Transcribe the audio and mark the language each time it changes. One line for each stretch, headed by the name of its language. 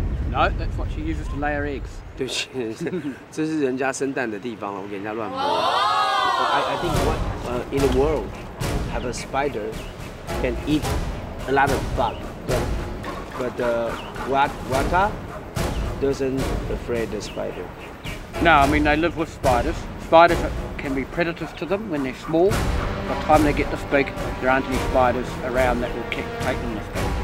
English: No, that's what she uses to lay her eggs。
Chinese: 对不起，这是人家生蛋的地方了，我给人家乱摸。
English: I think what, in the world, have a spider can eat a lot of bug, but Waka doesn't afraid the spider. No, I mean they live with spiders. Spiders can be predators to them when they're small. By the time they get this big, there aren't any spiders around that will kick, take them this big.